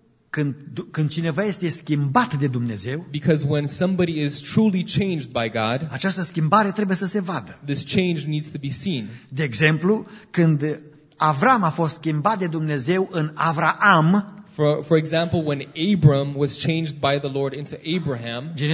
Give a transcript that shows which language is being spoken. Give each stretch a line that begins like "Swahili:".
Romanian: Când cineva este schimbat de Dumnezeu,
English: because when somebody is truly changed by God,
Romanian: această schimbare trebuie să se vadă.
English: This change needs to be seen.
Romanian: De exemplu, când Avram a fost schimbat de Dumnezeu în Avraam,
English: for example when Abram was changed by the Lord into Abraham,